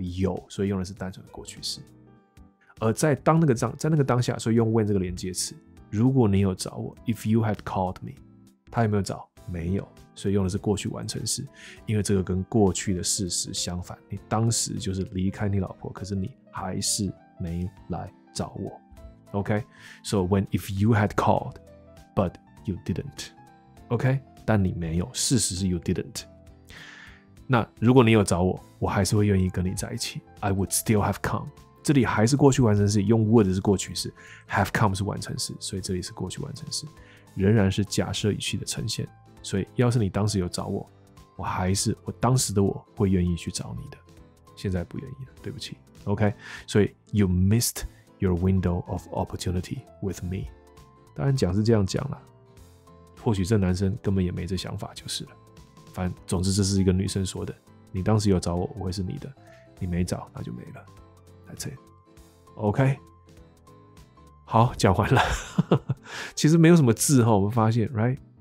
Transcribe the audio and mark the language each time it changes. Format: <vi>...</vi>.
<zh>有，所以用的是单纯的过去式。而在当那个当在那个当下，所以用 when 这个连接词。如果你有找我 ，</zh> <en>if you had called me，</en> <zh>他有没有找？没有，所以用的是过去完成式，因为这个跟过去的事实相反。你当时就是离开你老婆，可是你还是没来找我。</zh> <en>OK， so when if you had called， but you didn't。</en> <zh>OK， 但你没有，事实是</zh> <en>you didn't。</en> <zh>那如果你有找我，我还是会愿意跟你在一起。</zh> <en>I would still have come。</en> <zh>这里还是过去完成式，用 would 是过去式 ，have come 是完成式，所以这里是过去完成式，仍然是假设语气的呈现。所以，要是你当时有找我，我还是我当时的我会愿意去找你的，现在不愿意了，对不起。</zh> <en>OK，</en> <zh>所以</zh> <en>you missed your window of opportunity with me。</en> <zh>当然讲是这样讲了，或许这男生根本也没这想法就是了。反正总之这是一个女生说的，你当时有找我，我会是你的，你没找那就没了。 OK， 好，讲完了。其实没有什么字我们发现 ，</zh> <en>right？</en>